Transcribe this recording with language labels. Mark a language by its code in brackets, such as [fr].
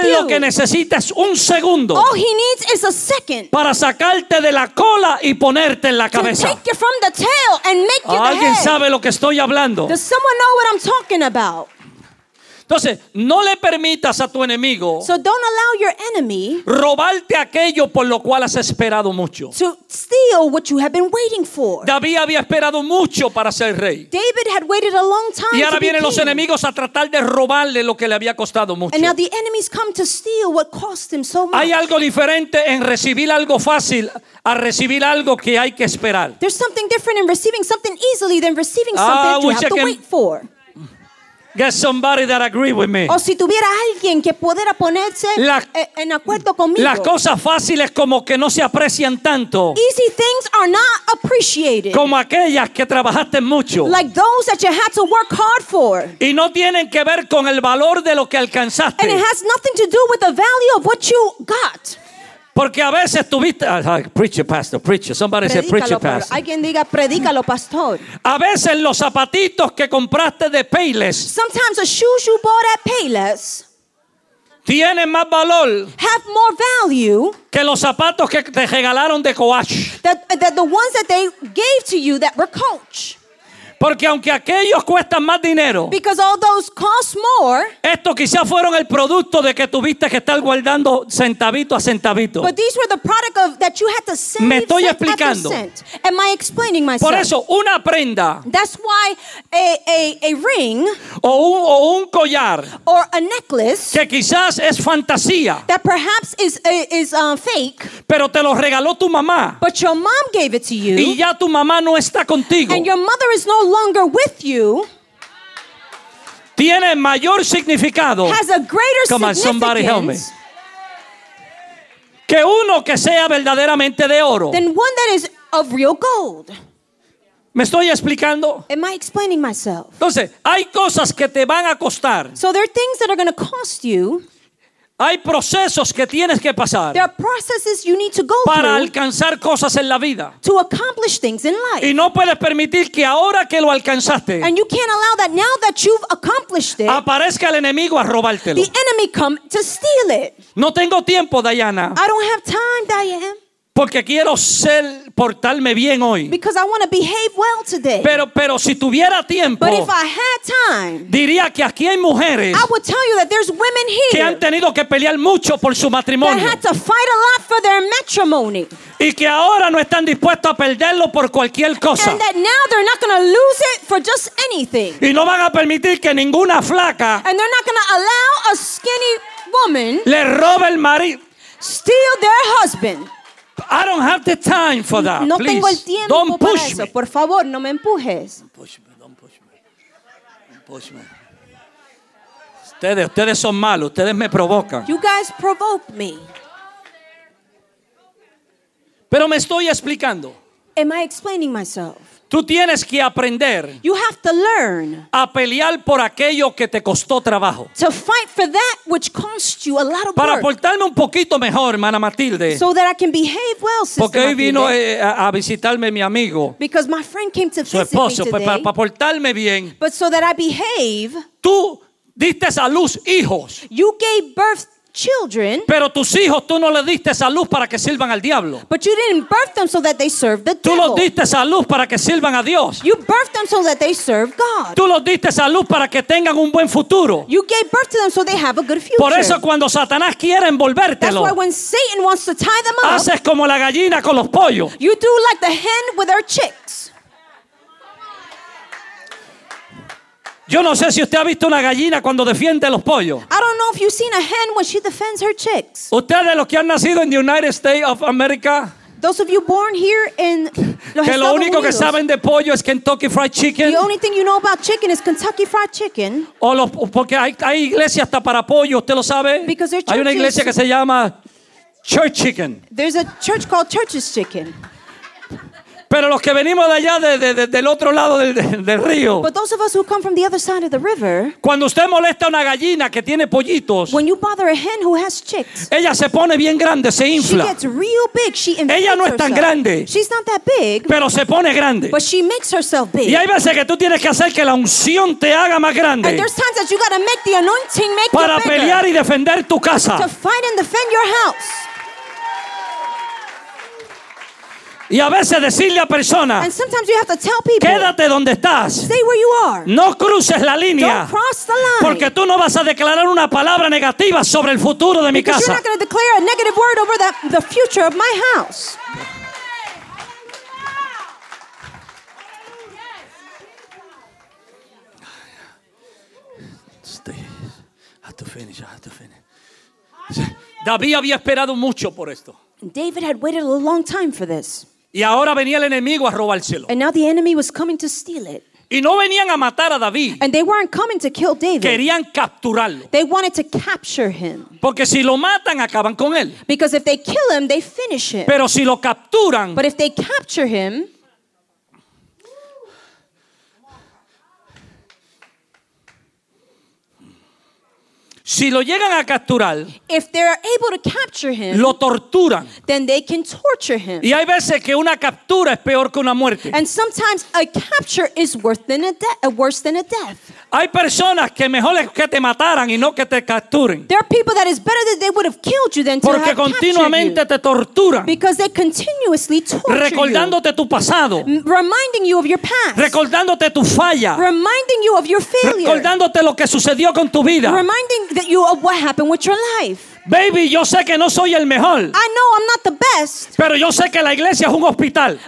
[en] you. [es] Él lo que necesita es un segundo. [en] All he needs is a second. [es] Para sacarte de la cola y ponerte en la cabeza. [en] To take you from the tail and make you the head. [es] ¿Alguien sabe lo que estoy hablando? [en] Does someone know what I'm talking about? [es] Entonces, no le permitas a tu enemigo, [en] so don't allow your enemy, [es] robarte aquello por lo cual has esperado mucho. [en] To steal what you have been waiting for. [es] David había esperado mucho para ser rey. [en] David had waited a long time. [es] Y ahora vienen los [en] king. [es] Enemigos a tratar de robarle lo que le había costado mucho. [en] And now the enemies come to steal what cost him so much. [es] Hay algo diferente en recibir algo fácil a recibir algo que hay que esperar. [en] There's something different in receiving something easily than receiving something that you have to wait for. Get somebody that agree with me. [es] O si tuviera alguien que pudiera ponerse en acuerdo conmigo. Las cosas fáciles como que no se aprecian tanto. [en] Easy things are not appreciated. [es] Como aquellas que trabajaste mucho. [en] Like those that you had to work hard for. [es] Y no tienen que ver con el valor de lo que alcanzaste. [en] And it has nothing to do with the value of what you got. [es] Porque a veces tuviste [en] preacher [es] pastor. Alguien diga predícalo pastor. A veces los zapatitos que compraste de Payless. [en] Sometimes the shoes you bought at Payless. [es] Tienen más valor. [en] Have more value. [es] Que los zapatos que te regalaron de Coach. [en] That the ones that they gave to you that were Coach. [es] Porque aunque aquellos cuestan más dinero, [en] because all those cost more, [es] estos quizás fueron el producto de que tuviste que estar guardando centavito a centavito. [en] But these were the product of that you had to save. [es] Me estoy explicando. [en] Am I explaining myself? [es] Por eso una prenda, [en] that's why a ring, [es] o un collar, [en] or a necklace, [es] que quizás es fantasía, [en] that perhaps is fake, [es] pero te lo regaló tu mamá, [en] but your mom gave it to you, [es] y ya tu mamá no está contigo, [en] and your mother is no longer with you, [es] tiene mayor significado, [en] has a greater come on, somebody help me, [es] que uno que sea verdaderamente de oro, [en] than one that is of real gold. [es] ¿Me estoy explicando? [en] Am I explaining myself? [es] Entonces, hay cosas que te van a costar. [en] So there are things that are going to cost you. [es] Hay procesos que tienes que pasar. [en] There are processes you need to go through. [es] Para alcanzar cosas en la vida. [en] To accomplish things in life. [es] Y no puedes permitir que ahora que lo alcanzaste. [en] And you can't allow that now that you've accomplished it. [es] Aparezca el enemigo a robártelo. [en] The enemy come to steal it. [es] No tengo tiempo, Diana. [en] I don't have time, Diane. [es] Porque quiero ser portarme bien hoy. [en] Because I want to behave well today. [es] Pero si tuviera tiempo, [en] but if I had time, [es] diría que aquí hay mujeres, [en] I would tell you that there's women here [es] que han tenido que pelear mucho por su matrimonio. [en] That had to fight a lot for their matrimony. [es] Y que ahora no están dispuestos a perderlo por cualquier cosa. [en] And that now they're not going to lose it for just anything. [es] Y no van a permitir que ninguna flaca, [en] and they're not going to allow a skinny woman, [es] le robe el marido, [en] steal their husband. I don't have the time for that. [es] No [en] please. [es] Tengo el tiempo [en] don't [es] para [en] push [es] eso. [en] Me. [es] Por favor, no me empujes. [en] Don't push me. [es] Ustedes son malos. Ustedes me provocan. [en] You guys provoke me. [es] Pero me estoy explicando. [en] Am I explaining myself? [es] Tú tienes que aprender. [en] You have to learn. [es] A pelear por aquello que te costó trabajo. [en] To fight for that which cost you a lot of work. [es] Para portarme un poquito mejor, hermana Matilde. [en] So that I can behave well, sister. [es] Porque hoy vino Matilde, a visitarme mi amigo. [en] Because my friend came to visit [es] su esposo, [en] me today. [es] Para portarme bien. [en] But so that I behave. [es] Tú diste a luz hijos. [en] You gave birth children. [es] Pero tus hijos tú no les diste esa luz para que sirvan al diablo. [en] But you didn't birth them so that they serve the [es] tú [en] devil. [es] Tú los diste esa luz para que sirvan a Dios. [en] You birthed them so that they serve God. [es] Tú los diste esa luz para que tengan un buen futuro. [en] You gave birth to them so they have a good future. [es] Por eso cuando Satanás quiere envolvértelo, [en] that's why when Satan wants to tie them up, [es] haces como la gallina con los pollos. [en] You do like the hen with her chicks. [es] Yo no sé si usted ha visto una gallina cuando defiende los pollos. [en] I don't know if you've seen a hen when she defends her chicks. [es] Ustedes los que han nacido en the United States of America. [en] Those of you born here in [es] que lo único que saben de pollo es Kentucky Fried Chicken. [en] The only thing you know about chicken is Kentucky Fried Chicken. [es] O los, porque hay iglesia hasta para pollo, usted lo sabe. [en] Because there's [es] hay una iglesia que se llama Church Chicken. [en] There's a church called Church's Chicken. [es] Pero los que venimos de allá del otro lado del río. [en] But those of us who come from the other side of the river. [es] Cuando usted molesta a una gallina que tiene pollitos. [en] When you bother a hen who has chicks. [es] Ella se pone bien grande, se infla. [en] She gets real big, she inflates herself. [es] Ella no es tan grande. [en] She's not that big. [es] Pero se pone grande. [en] But she makes herself big. [es] Y hay veces que tú tienes que hacer que la unción te haga más grande. [en] And there's times that you gotta make the anointing make [es] para [en] you bigger. [es] Pelear y defender tu casa. [en] To fight and defend your house. [es] Y a veces decirle a personas, [en] and sometimes you have to tell people, [es] quédate donde estás. [en] Stay where you are. [es] No cruces la línea. [en] Don't cross the line. [es] Porque tú no vas a declarar una palabra negativa sobre el futuro de mi casa. [en] You're not going to declare a negative word over the future of my house. Stay. I have to finish. [es] David había esperado mucho por esto. [en] David had waited a long time for this. [es] Y ahora venía el enemigo a robárselo. [en] And now the enemy was coming to steal it. [es] Y no venían a matar a David. [en] And they weren't coming to kill David. [es] Querían capturarlo. [en] They wanted to capture him. [es] Porque si lo matan, acaban con él. [en] Because if they kill him, they finish him. [es] Pero si lo capturan, [en] but if they capture him, [es] si lo llegan a capturar, [en] if they're able to capture him, [es] lo torturan. [en] Then they can torture him. [es] Y hay veces que una captura es peor que una muerte. [en] And sometimes a capture is worse than a death. [es] Hay personas que mejor es que te mataran y no que te capturen. [en] There are people that is better that they would have killed you than to [es] porque [en] have [es] continuamente [en] captured [es] te torturan. [en] Because they continuously torture [es] recordándote [en] you, [es] tu pasado. [en] Reminding you of your past. [es] Recordándote tu falla. [en] Reminding you of your failure. [es] Recordándote lo que sucedió con tu vida. [en] Reminding that you of what happened with your life. [es] Baby, yo sé que no soy el mejor. [en] I know I'm not the best. [es] Pero yo sé que la iglesia es un hospital.